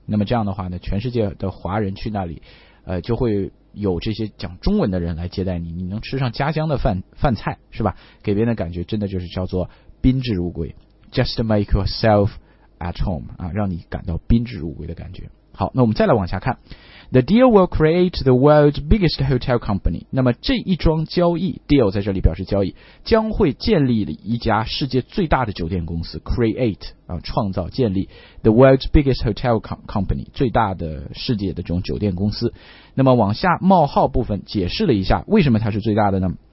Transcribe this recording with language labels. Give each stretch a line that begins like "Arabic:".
Chinese: 那么这样的话呢，全世界的华人去那里，就会有这些讲中文的人来接待你，你能吃上家乡的饭菜，是吧？给别人的感觉真的就是叫做宾至如归 ，
English: just make yourself at home
Chinese: 啊，让你感到宾至如归的感觉。好，那我们再来往下看
English: ，the deal will create the world's biggest hotel company。
Chinese: 那么这一桩交易 ，deal 在这里表示交易，将会建立了一家世界最大的酒店公司 ，create 啊，创造建立
English: the world's biggest hotel company
Chinese: 最大的世界的这种酒店公司。那么往下冒号部分解释了一下，为什么它是最大的呢？